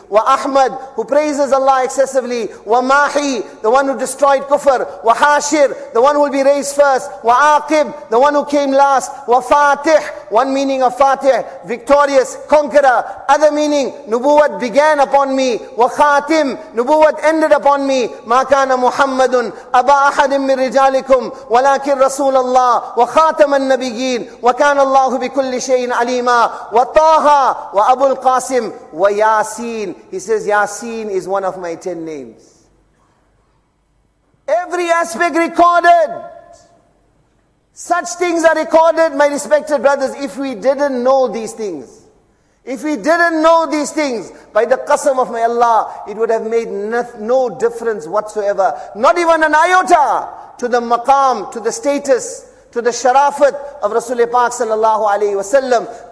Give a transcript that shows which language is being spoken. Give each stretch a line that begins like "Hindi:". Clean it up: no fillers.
English: Wa Ahmad, who praises Allah excessively. Wa Mahi, the one who destroyed kufr. Wa Hashir, the one who will be raised first. Wa Aqib, the one who came last. Wa Fatih, one meaning of Fatih, victorious, conqueror. Other meaning, Nubuwat began upon me. Wa Khatim, Nubuwat ended upon me.
Arabic: Ma kana Muhammadun aba ahadim min rijalik. ولكن رسول الله وخاتم النبيين وكان الله بكل شيء عليما وطه وابو القاسم وياسين.
English: He says Yasin is one of my 10 names. Every aspect recorded. Such things are recorded, my respected brothers. If we didn't know these things, if we didn't know these things, by the qasam of my Allah, it would have made no difference whatsoever, not even an iota, to the maqam, to the status, to the sharafat of Rasulullah Pak sallallahu alayhi wa sallam.